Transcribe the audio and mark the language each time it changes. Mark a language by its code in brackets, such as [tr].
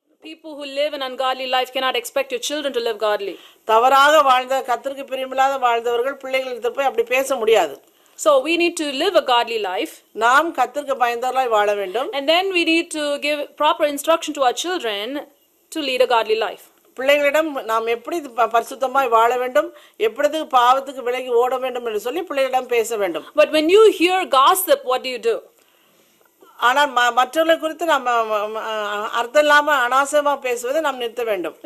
[en] People who live an ungodly life cannot expect your children to live godly. [ta] தவறாக வாழ்ந்த கர்த்தருக்கு பிரியமில்லாத வாழ்ந்தவர்கள் பிள்ளைகளிடத்தில் போய் அப்படி பேச முடியாது. [en] So we need to live a godly life. [ta] நாம் கர்த்தருக்கு பயந்தவர்களாய் வாழ வேண்டும். [en] And then we need to give proper instruction to our children to lead a godly life. [ta] பிள்ளைகளிடம் நாம் எப்படி பரிசுத்தமாய் வாழ வேண்டும், எப்படி பாவத்துக்கு விலகி ஓட வேண்டும் என்று சொல்லி பிள்ளைகளிடம் பேச வேண்டும். [en] But when you hear gossip, what do you do? [ta] ஆனால் மற்றவர்களை குறித்து நாம் அர்த்தம் இல்லாமல் அனாவசியமாக பேசுவதை நாம் நிறுத்த வேண்டும்.